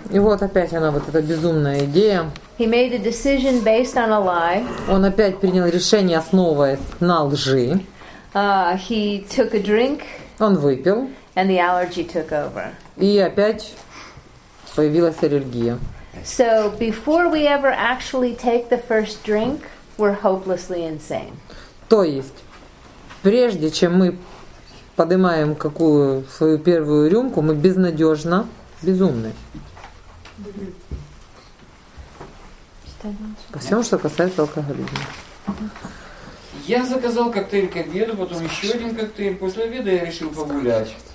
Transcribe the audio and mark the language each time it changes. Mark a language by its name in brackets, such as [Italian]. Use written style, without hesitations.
[Russian] И вот опять она, вот эта безумная идея. [English] He made a decision based on a lie. [Russian] Он опять принял решение, основываясь на лжи. [English] He took a drink. [Russian] Он выпил. [English] And the allergy took over. [Russian] И опять появилась аллергия. [English] So before we ever actually take the first drink, we're hopelessly insane. [Russian] То есть, прежде чем мы поднимаем какую свою первую рюмку, мы безнадежно безумны. По всему, что касается алкоголизма. Я заказал коктейль к обеду, потом еще один коктейль. После обеда я решил погулять.